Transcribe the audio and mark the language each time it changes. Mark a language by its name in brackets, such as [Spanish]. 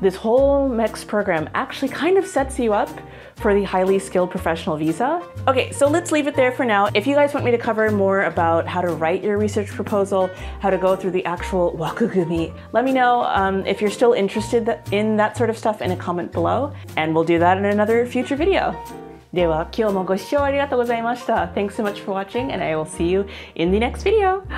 [English] This whole MEXT program actually kind of sets you up for the highly skilled professional visa. Okay, so let's leave it there for now. If you guys want me to cover more about how to write your research proposal, how to go through the actual wakugumi, let me know if you're still interested in that sort of stuff in a comment below, and we'll do that in another future video. [Japanese] では今日もご視聴ありがとうございました。 [English] Thanks so much for watching, and I will see you in the next video.